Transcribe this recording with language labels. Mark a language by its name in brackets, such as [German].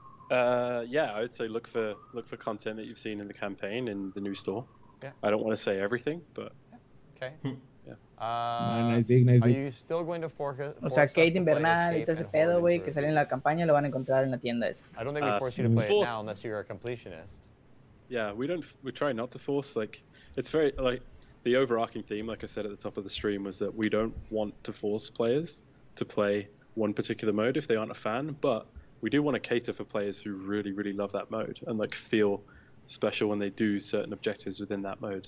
[English] Yeah, I would say look for content that you've seen in the campaign in the new store. Yeah. I don't want to say everything, but okay. Nice. Are you still going to force? [Spanish] O sea, Kate Invernal y todo ese pedo, güey, que sale en la campaña, lo van a encontrar en la tienda esa. [English] I don't think we force you to play it now unless you're a completionist. Yeah, we try not to force. Like, it's very like the overarching theme, like I said at the top of the stream, was that we don't want to force players to play one particular mode if they aren't a fan, but we do want to cater for players who really, really love that mode and like feel special when they do certain objectives within that mode.